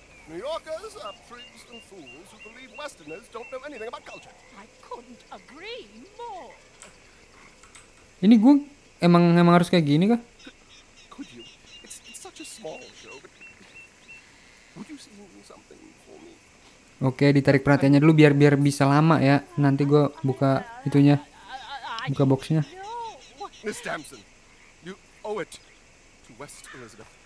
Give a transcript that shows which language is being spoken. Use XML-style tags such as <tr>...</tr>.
<en>New Yorkers are freaks and fools who believe Westerners don't know anything about culture. I couldn't agree more.</en> <id>Ini gue emang harus kayak gini kah?</id> <en>Could you? It's such a small show, but would you sing something for me?</en> <id>Oke, ditarik perhatiannya dulu biar biar bisa lama ya. Nanti gue buka itunya, buka boxnya.</id> <en>Miss Damson, you owe it to West Elizabeth.</en>